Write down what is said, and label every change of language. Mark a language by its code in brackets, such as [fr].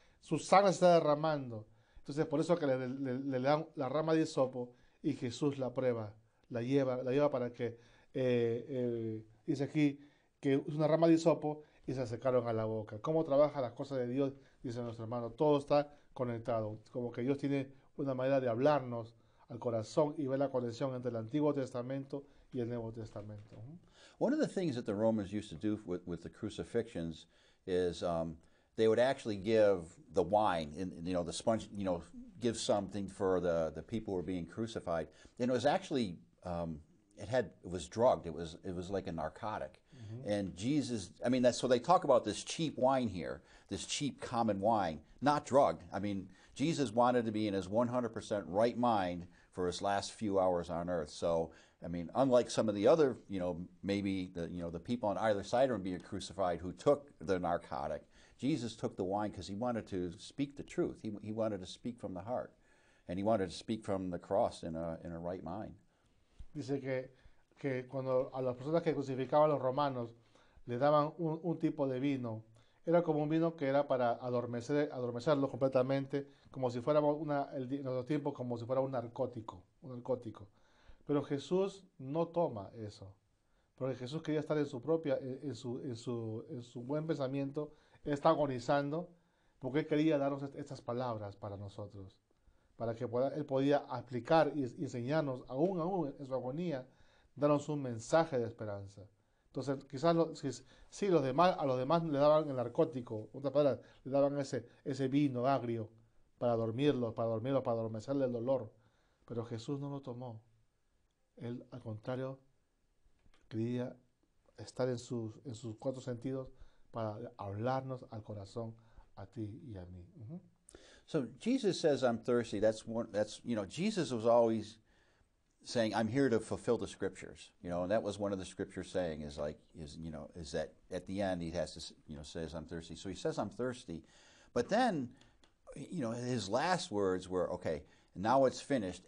[es] Su sangre se está derramando. Entonces por eso que le dan la rama de hisopo y Jesús la prueba, la lleva para que, dice aquí, que es una rama de hisopo, y se acercaron a la boca. ¿Cómo trabaja las cosas de Dios? Dice nuestro hermano, todo está conectado. Como que Dios tiene una manera de hablarnos al corazón y ver la conexión entre el Antiguo Testamento y el Nuevo Testamento. [en] One of the things that the Romans used to do with the crucifixions is they would actually give the wine, and, you know, the sponge, you know, give something for the people who were being crucified. And it was actually, it was drugged. It was like a narcotic. And Jesus, I mean, that, so they talk about this cheap wine here, this cheap common wine, not drugged. I mean, Jesus wanted to be in his 100% right mind for his last few hours on earth. So, I mean, unlike some of the other, you know, maybe the people on either side of him being crucified who took the narcotic, Jesus took the wine because he wanted to speak the truth. He wanted to speak from the heart, and he wanted to speak from the cross in a right mind. [es] Dice que cuando a las personas que crucificaban a los romanos le daban un tipo de vino, era como un vino que era para adormecerlo completamente, como si fuera un narcótico. Pero Jesús no toma eso, porque Jesús quería estar en su buen pensamiento. Él está agonizando porque él quería darnos estas palabras para nosotros, para que él podía explicar y enseñarnos aún en su agonía, darnos un mensaje de esperanza. Entonces, quizás sí, a los demás le daban el narcótico, en otras palabras, le daban ese vino agrio para dormirlo, para adormecerle el dolor. Pero Jesús no lo tomó. Él, al contrario, quería estar en sus cuatro sentidos para hablarnos al corazón, a ti y a mí. [en] So Jesus says, "I'm thirsty." Jesus was always saying, "I'm here to fulfill the scriptures." You know, and that was one of the scriptures saying is that at the end he has to, says, "I'm thirsty." So he says, "I'm thirsty," but then, his last words were, "Okay, now it's finished."